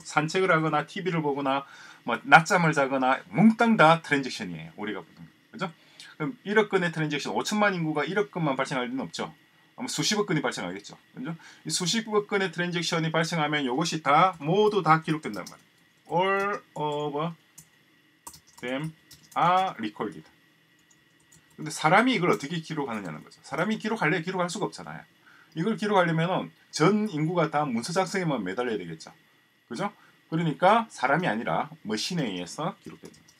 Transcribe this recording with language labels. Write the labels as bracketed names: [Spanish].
[Korean] 산책을 하거나 TV를 보거나 뭐 낮잠을 자거나 몽땅 다 트랜잭션이에요. 우리가 보는. 그렇죠? 그럼 1억 건의 트랜잭션. 5천만 인구가 1억 건만 발생할 리는 없죠. 아마 수십억 건이 발생하겠죠. 그죠? 이 수십억 건의 트랜잭션이 발생하면 이것이 다 모두 다 기록된단 말이에요. [English] All of them are recorded. [Korean] 근데 사람이 이걸 어떻게 기록하느냐는 거죠. 사람이 기록할래 기록할 수가 없잖아요. 이걸 기록하려면 전 인구가 다 문서 작성에만 매달려야 되겠죠. 그죠? 그러니까 사람이 아니라 머신에 의해서 기록된다.